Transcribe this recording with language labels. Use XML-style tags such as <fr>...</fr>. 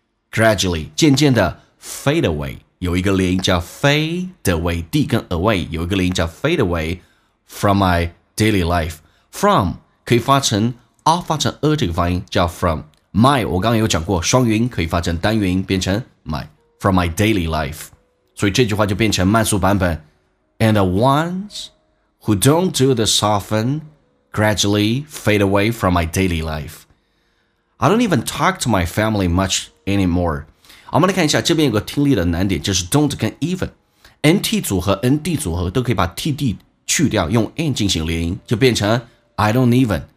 <zh>gradually 渐渐的 fade away， 有一个连音叫 fade away， d 跟 away 有一个连音叫 fade away from my daily life， from 可以发成 发成这个发音叫 from my， 我刚刚有讲过双元音可以发成单元音，变成 my from my daily life， 所以这句话就变成慢速版本。</zh> <en>And the ones who don't do this oftenGradually fade away from my daily life. I don't even talk to my family much anymore.</en> <zh>我们来看一下这边有个听力的难点，就是 don't 跟 even。NT 组合 ND 组合都可以把 TD 去掉，用 and 进行连音，就变成</zh> <en>I don't even。</en>